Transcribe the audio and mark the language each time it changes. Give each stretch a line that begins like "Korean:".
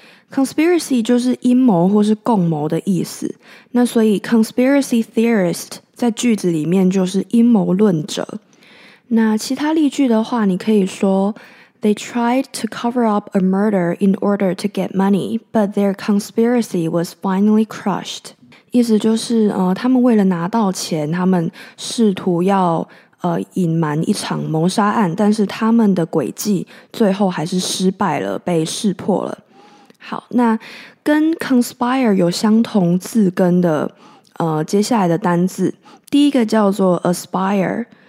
Chinese: Conspiracy 就是阴谋或是共谋的意思。那所以 conspiracy theorist 在句子里面就是阴谋论者。那其他例句的话，你可以说
English: They tried to cover up a murder in order to get money, but their conspiracy was finally crushed.
Chinese: 意思就是他们为了拿到钱，他们试图要隐瞒一场谋杀案，但是他们的诡计最后还是失败了，被识破了。好，那跟 conspire 有相同字根的接下来的单字，第一个叫做 aspire。